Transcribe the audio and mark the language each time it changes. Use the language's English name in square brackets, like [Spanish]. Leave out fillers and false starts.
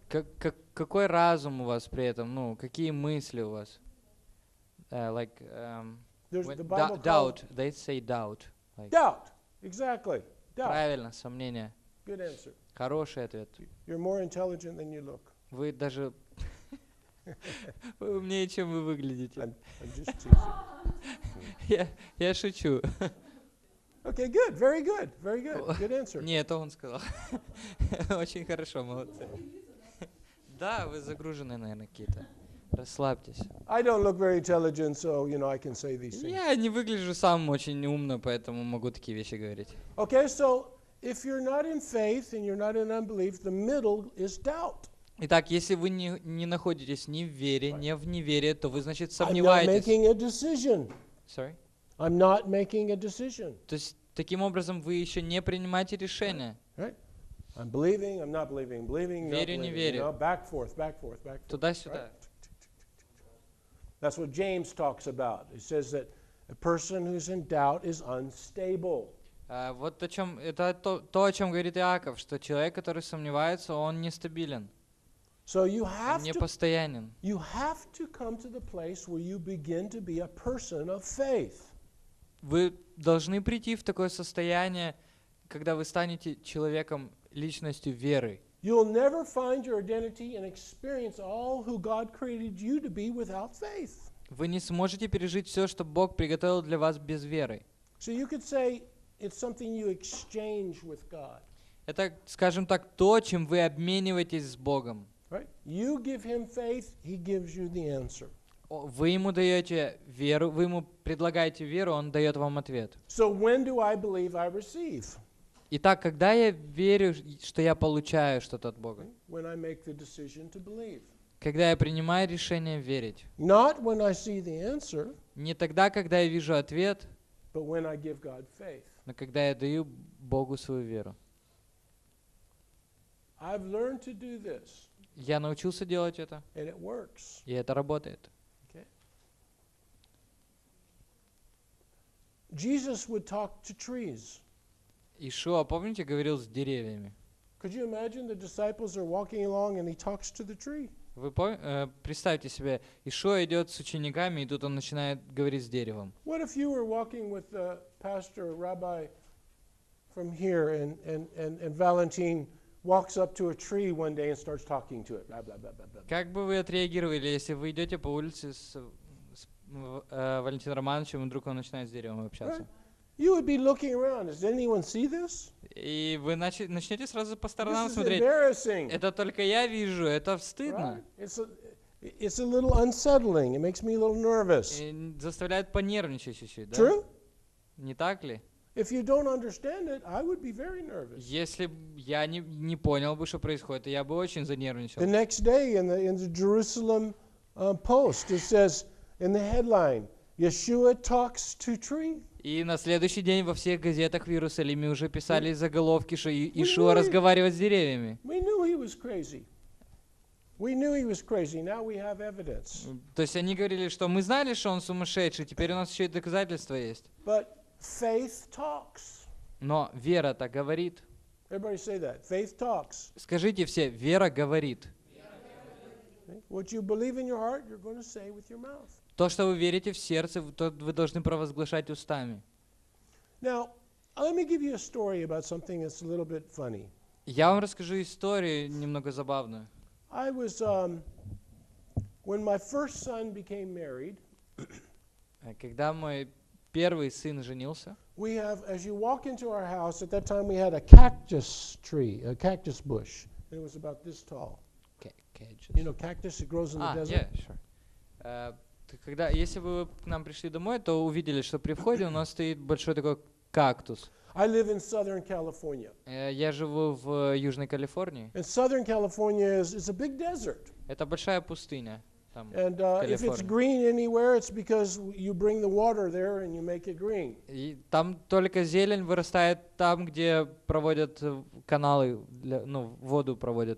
[Russian] Какой разум у вас при этом? Ну, какие мысли у вас? [English] Doubt. They say doubt. Like doubt. Exactly. Doubt. [Russian] Правильно, сомнение. [English] Good answer. [Russian] Хороший ответ. [English] You're more intelligent than you look. [Russian] Вы даже умнее, чем вы выглядите. [English] I'm just teasing. [Russian] Я шучу. [English] Okay, good. Very good. Very good. Good answer. [Russian] Не, это он сказал. Очень хорошо, молодцы. Да, вы загружены, наверное, какие-то. Расслабьтесь. [English] I don't look very intelligent, so, you know, I can say these things. [Russian] Я не выгляжу сам очень умно, поэтому могу такие вещи говорить. [English] Okay, so if you're not in faith and you're not in unbelief, the middle is doubt. [Russian] Итак, если вы не находитесь ни в вере, ни в неверии, то вы, значит, сомневаетесь. [English] I'm not making a decision. Sorry? I'm not making a decision. [Russian] То есть таким образом вы еще не принимаете решение. [English] Right? I'm believing, I'm not believing, believing, [Russian] верю, Верю, не верю. [English] Back forth. [Russian] Туда-сюда. [English] Right? That's what James talks about. He says that a person who's in doubt is unstable. [Russian] Вот о чем это то, о чем говорит Иаков, что человек, который сомневается, он нестабилен. [English] So you have to, come to the place where you begin to be a person of faith. [Russian] Вы должны прийти в такое состояние, когда вы станете человеком, личностью веры. [English] You'll never find your identity and experience all who God created you to be without faith. [Russian] Вы не сможете пережить все, что Бог приготовил для вас без веры. [English] So you could say it's something you exchange with God. [Russian] Это, скажем так, то, чем вы обмениваетесь с Богом. [English] Right? You give him faith, he gives you the answer. [Russian] Вы ему даете веру, вы ему предлагаете веру, он дает вам ответ. [English] So when do I believe I receive? [Russian] Итак, когда я верю, что я получаю что-то от Бога? [English] When I make the decision to believe. [Russian] Когда я принимаю решение верить. [English] Not when I see the answer. [Russian] Не тогда, когда я вижу ответ. [English] But when I give God faith. [Russian] Но когда я даю Богу свою веру. [English] I've learned to do this. [Russian] Я научился делать это. [English] And it works. [Russian] И это работает. [English] Okay. Jesus would talk to trees. [Russian] Иешуа, помните, говорил с деревьями? [English] Could you imagine the disciples are walking along and he talks to the tree? [Russian] Вы представьте себе, Иешуа идет с учениками, и тут он начинает говорить с деревом. [English] What if you were walking with the pastor or rabbi from here and Valentin walks up to a tree one day and starts talking to it. [Russian] Как бы вы отреагировали, если вы идете по улице с Валентин Романовичем, и вдруг он начинает с деревом общаться. [English] Right? You would be looking around. Does anyone see this? [Russian] И вы начнете сразу по сторонам смотреть. Это только я вижу. Это стыдно. [English] It's a little unsettling. It makes me a little nervous. [Russian] Заставляет понервничать чуть-чуть, да? [English] True? [Russian] Не так ли? [English] If you don't understand it, I would be very nervous. [Russian] Если я не понял бы, что происходит, я бы очень занервничал. [English] The next day in the Jerusalem Post, it says in the headline, Yeshua talks to tree. [Russian] И на следующий день во всех газетах в Иерусалиме уже писали заголовки, что Иешуа разговаривает с деревьями. [English] We knew he was crazy. We knew he was crazy. Now we have evidence. [Russian] То есть они говорили, что мы знали, что он сумасшедший. Теперь у нас еще и доказательства есть. [English] But faith talks. [Russian] Но вера так говорит. [English] Everybody say that. Faith talks. [Russian] Скажите все, вера говорит. [English] What you believe in your heart, you're going to say with your mouth. [Russian] То, что вы верите в сердце, то вы должны провозглашать устами. [English] Now, let me give you a story about something that's a little bit funny. [Russian] Я вам расскажу историю немного забавную. [English] I was when my first son became married. [Russian] Когда мой первый сын женился. [English] We have, as you walk into our house, at that time we had a cactus tree, a cactus bush, and it was about this tall. Cactus. You know, cactus that grows in the desert. Yeah, sure. [Russian] Когда, если вы к нам пришли домой, то увидели, что при входе у нас стоит большой такой кактус. [English] I live in Southern California. [Russian] Я живу в Южной Калифорнии. [English] And Southern California is a big desert. [Russian] Это большая пустыня. [English] And if it's green anywhere, it's because you bring the water there and you make it green. [Russian] И там только зелень вырастает там, где проводят каналы, для, ну, воду проводят